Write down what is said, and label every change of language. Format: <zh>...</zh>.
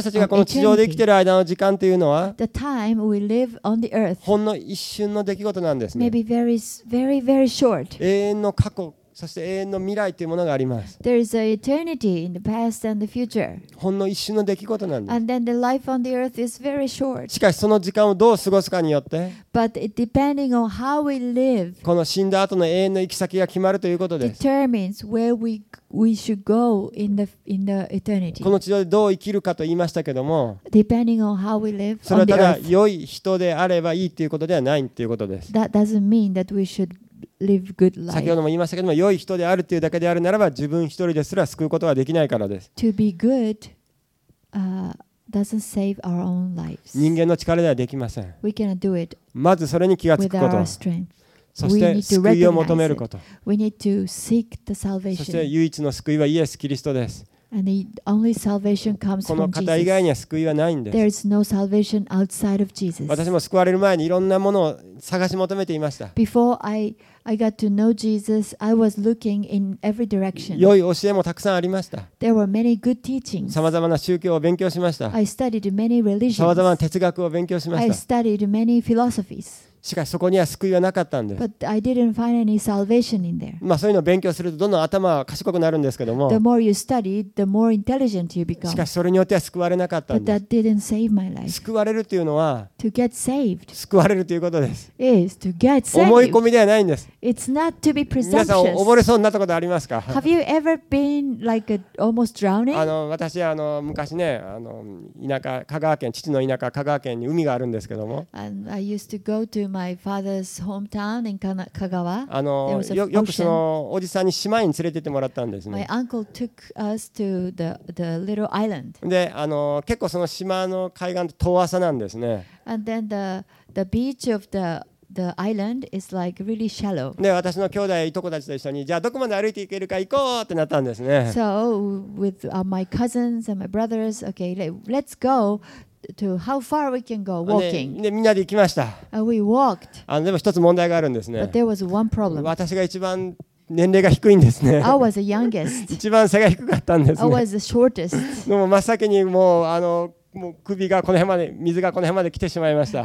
<ja>私たちがこの地上で生きている間の時間というのは、</ja> <en>the time we live on the earth.</en> <ja>ほんの一瞬の出来事なんですね。</ja> <en>Maybe very, very, very short.</en> <ja>永遠の過去、そして永遠の未来というものがあります。</ja> <en>There is an eternity in the past and the future.</en> <ja>ほんの一瞬の出来事なんです。</ja> <en>And then the life on the earth is very short.</en> <ja>しかしその時間をどう過ごすかによって、</ja> <en>But depending on how we live,</en> <ja>この死んだ後の永遠の行き先が決まるということです。</ja> <en>Determines where we should go in the eternity.</en> <ja>この地上でどう生きるかと言いましたけども、</ja> <en>Depending on how we live on the earth.</en> <ja>それはただ良い人であればいいということではないということです。</ja> <en>That doesn't mean that we should Live good life.</en> <ja>先ほども言いましたけども、良い人であるというだけであるならば、自分一人ですら救うことはできないからです。</ja> <en>To be good, doesn't save our own lives.</en> <ja>人間の力ではできません。</ja> <en>We cannot do it.</en> <ja>まずそれに気がつくこと。</ja> <en>With our strength.</en> <ja>そして救いを求めること。</ja> <en>We need to seek the salvation.</en> <ja>そして唯一の救いはイエス・キリストです。</ja> <en>And the only salvation comes from Jesus.</en> <ja>この方以外には救いはないんです。</ja> <en>There is no salvation outside of Jesus.</en> <ja>私も救われる前にいろんなものを探し求めていました。</ja> <en>Before I got to know Jesus, I was looking in every direction.</en> <ja>良い教えもたくさんありました。</ja> <en>There were many good teachings.</en> <ja>様々な宗教を勉強しました。</ja> <en>I studied many religions.</en> <ja>様々な哲学を勉強しました。</ja> <en>I studied many philosophies.</en> <ja>しかしそこには救いはなかったんです。</ja> <en>But I didn't find any salvation in there.</en> <ja>まあそういうのを勉強するとどんどん頭は賢くなるんですけども。</ja> <en>The more you study, the more intelligent you become.</en> <ja>しかしそれによっては救われなかったんです。</ja> <en>But that didn't save my life.</en> <ja>救われるというのは、</ja> <en>To get saved.</en> <ja>救われるということです。</ja> <en>Is to get saved.</en> <ja>思い込みではないんです。</ja> <en>It's not to be presumptuous.</en> <ja>皆さん溺れそうになったことありますか？</ja> <en>Have you ever been like almost drowning?</en> <ja>私は昔ね、田舎香川県、父の田舎香川県に海があるんですけども。</ja> <en>And I used to go to my father's hometown in Kagawa.</en> <ja>よくそのおじさんに島に連れてってもらったんですね。</ja> <en>My uncle took us to the little island.</en> <ja>で、結構その島の海岸って遠浅なんですね。</ja> <en>And then the beach of the island is like really shallow.</en> <ja>で、私の兄弟いとこたちと一緒に、じゃあどこまで歩いていけるか行こうってなったんですね。</ja> <en>So with my cousins and my brothers, okay, let's go. to how far we can go walking.</en> <ja>ね、みんなで行きました。</ja> <en>We walked.</en> <ja>でも一つ問題があるんですね。</ja> <en>But there was one problem.</en> <ja>私が一番年齢が低いんですね。</ja> <en>I was the youngest.</en> <ja>一番背が低かったんですね。</ja> <en>I was the shortest.</en> <ja>でも真っ先にもうもう首がこの辺まで水がこの辺まで来てしまいました。</ja>